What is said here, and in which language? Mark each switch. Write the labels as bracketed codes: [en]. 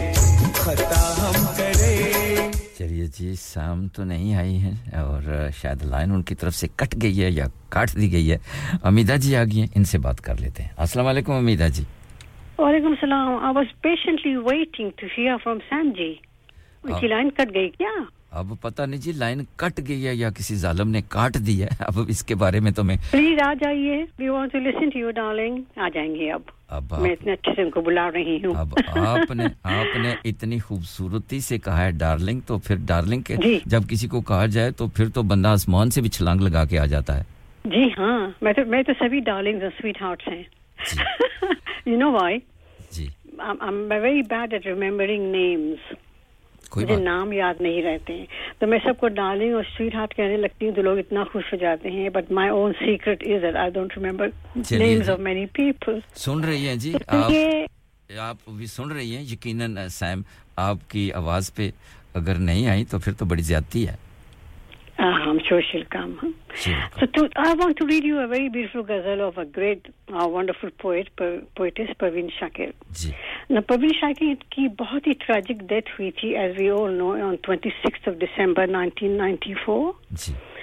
[hi] चलिए जी, शाम तो नहीं आई है और शायद लाइन उनकी तरफ से कट गई है या काट दी गई है। अमीदा जी आ गई हैं, इनसे बात कर लेते हैं। अस्सलाम वालेकुम अमीदा जी। वालेकुम सलाम। [en] I was patiently waiting to hear from Sam ji. [hi] उनकी लाइन कट गई क्या? अब पता नहीं जी, लाइन कट गई है या किसी जालिम ने काट दी है, अब इसके बारे में तो मैं। [en] Please आ जाइए, we want to listen to you darling. [hi] आ जाएंगे अब। अब मैं इतने अच्छे से उनको बुला रही हूं अब आपने आपने इतनी खूबसूरती से कहा है डार्लिंग तो फिर डार्लिंग के जब किसी को कहा जाए तो फिर तो बंदा आसमान से भी छलांग लगा के आ जाता है जी हां मैं तो सभी डार्लिंग्स और स्वीट हार्ट्स हैं [en] you know why [hi] ji [en] I am very bad at remembering names [hi] मुझे नाम याद नहीं रहते हैं तो मैं सबको डार्लिंग और स्वीट हार्ट कहने लगती हूँ तो लोग इतना खुश हो जाते हैं [en] but my own secret is that I don't remember names of many people [hi] सुन रही हैं जी तो आप भी सुन रही हैं यकीनन सैम आपकी आवाज पे अगर नहीं आई तो फिर तो बड़ी ज्यादती है [en] I'm sure she'll come. I want to read you a very beautiful ghazal of a great, wonderful poetess, Parveen Shakir. Now, Parveen Shakir [hi] ki bahut hi tragic death hui thi, [en] as we all know, on 26th of December 1994. [hi] Ji.